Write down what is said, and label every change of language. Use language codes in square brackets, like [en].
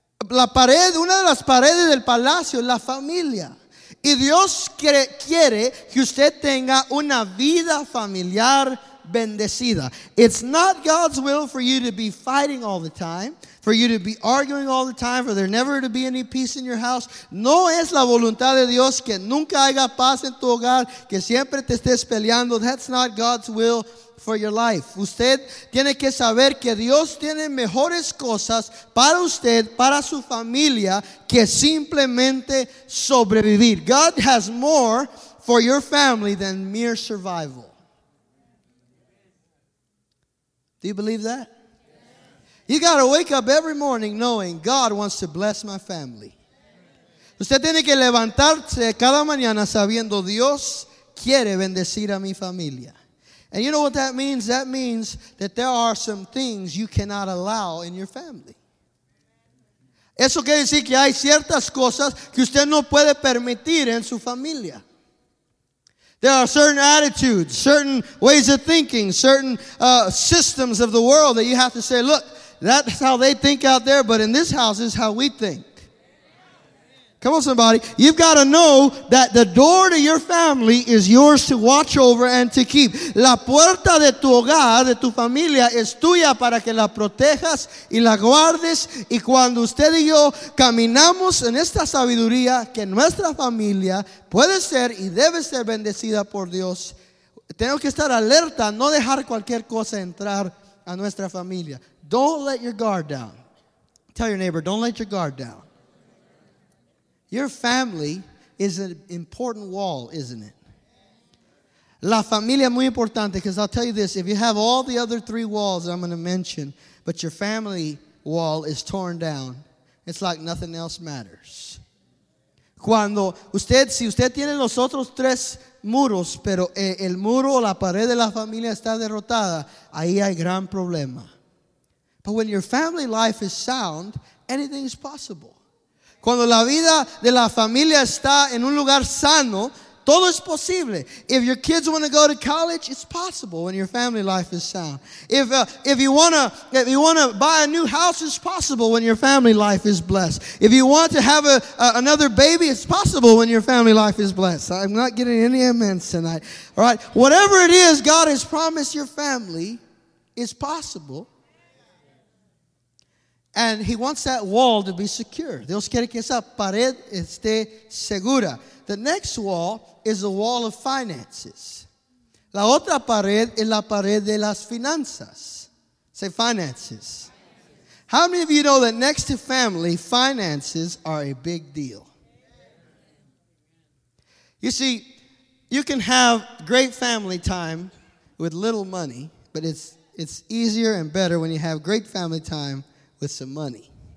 [es] La pared, una de las paredes del palacio, la familia. Y Dios quiere que usted tenga una vida familiar bendecida. [en] It's not God's will for you to be fighting all the time, for you to be arguing all the time, for there never to be any peace in your house. [es] No es la voluntad de Dios que nunca haya paz en tu hogar, que siempre te estés peleando. [en] That's not God's will for your life. [es] Usted tiene que saber que Dios tiene mejores cosas para usted, para su familia, que simplemente sobrevivir. [en] God has more for your family than mere survival. Do you believe that? You got to wake up every morning knowing God wants to bless my family. [es] Usted tiene que levantarse cada mañana sabiendo Dios quiere bendecir a mi familia. [en] And you know what that means? That means that there are some things you cannot allow in your family. [es] Eso quiere decir que hay ciertas cosas que usted no puede permitir en su familia. [en] There are certain attitudes, certain ways of thinking, certain systems of the world that you have to say, look, That's how they think out there, but in this house is how we think. Come on, somebody. You've got to know that the door to your family is yours to watch over and to keep. La puerta de tu hogar, de tu familia, es tuya para que la protejas y la guardes. [es] Y cuando usted y yo caminamos en esta sabiduría, que nuestra familia puede ser y debe ser bendecida por Dios, tenemos que estar alerta, no dejar cualquier cosa entrar a nuestra familia. [en] Don't let your guard down. Tell your neighbor, don't let your guard down. Your family is an important wall, isn't it? [es] La familia es muy importante, [en] because I'll tell you this, if you have all the other three walls I'm going to mention, but your family wall is torn down, it's like nothing else matters. [es] Cuando usted, si usted tiene los otros tres muros, pero el muro o la pared de la familia está derrotada, ahí hay gran problema. [en] But when your family life is sound, anything is possible. [es] Cuando la vida de la familia está en un lugar sano, todo es posible. [en] If your kids want to go to college, it's possible when your family life is sound. If you want to buy a new house, it's possible when your family life is blessed. If you want to have another baby, it's possible when your family life is blessed. I'm not getting any amens tonight. All right. Whatever it is God has promised your family is possible. And he wants that wall to be secure. [es] Dios quiere que esa pared esté segura. [en] The next wall is the wall of finances. [es] La otra pared es la pared de las finanzas. [en] Say finances. How many of you know that next to family, finances are a big deal? You see, you can have great family time with little money, but it's easier and better when you have great family time with some money.